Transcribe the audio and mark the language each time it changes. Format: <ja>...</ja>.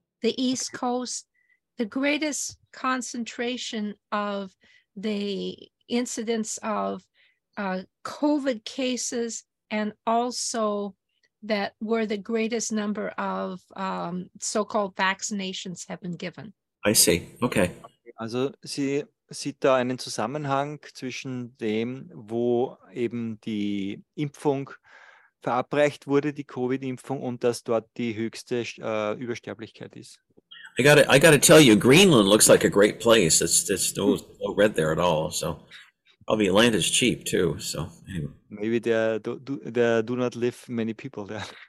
<en>the East Coast, the greatest concentration of the incidence of COVID cases, and also that were the greatest number of so-called vaccinations have been given. I see. Okay.</en> <de>Also Sie sieht da einen Zusammenhang zwischen dem, wo eben die Impfung verabreicht wurde, die Covid-Impfung, und dass dort die höchste Übersterblichkeit ist.</de> <en>I gotta tell you, Greenland looks like a great place. It's no red there at all. So probably land is cheap too. So anyway. Maybe there do not live many people there.</en>